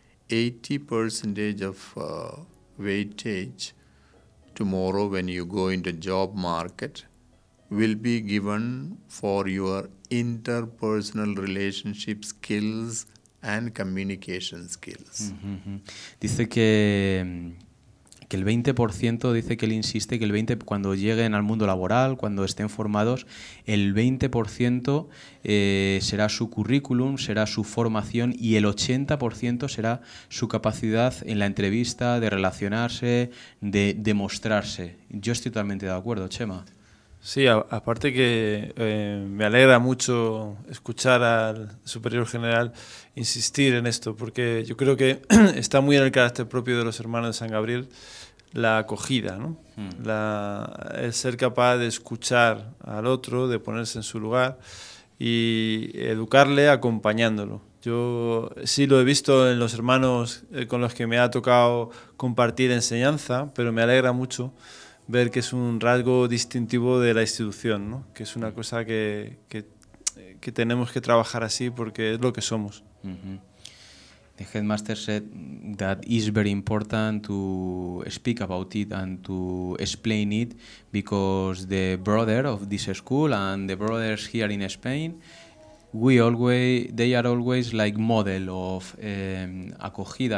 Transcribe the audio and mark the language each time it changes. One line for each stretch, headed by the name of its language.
English: 80% of weightage tomorrow when you go into job market will be given for your interpersonal relationship skills and communication skills. Mm-hmm.
Spanish: Dice que el 20%, dice que él insiste que el 20% cuando lleguen al mundo laboral, cuando estén formados, el 20% será su currículum, será su formación, y el 80% será su capacidad en la entrevista, de relacionarse, de demostrarse. Yo estoy totalmente de acuerdo, Chema. Sí, aparte que me alegra mucho escuchar al superior general insistir en esto, porque yo creo que está muy en el carácter propio de los hermanos de San Gabriel la acogida, ¿no? El ser capaz de escuchar al otro, de ponerse en su lugar y educarle acompañándolo. Yo sí lo he visto en los hermanos con los que me ha tocado compartir enseñanza, pero me alegra mucho ver que es un rasgo distintivo de la institución, ¿no? Que es una cosa que tenemos que trabajar así porque es lo que somos. Mm-hmm.
English: The headmaster said that it's very important to speak about it and to explain it because the brother of this school and the brothers here in Spain, they are always like model of acogida.